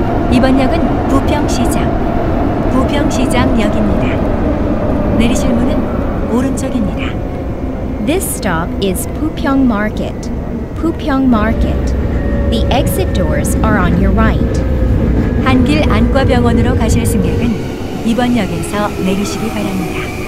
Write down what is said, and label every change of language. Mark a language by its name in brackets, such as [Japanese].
[Korean] 이번 역은 부평시장, 부평시장역입니다. 내리실 문은 오른쪽입니다. [English] This stop is Pupyeong Market. Pupyeong Market. The exit doors are on your right. [Korean] 한길 안과병원으로 가실 승객은 이번 역에서 내리시기 바랍니다.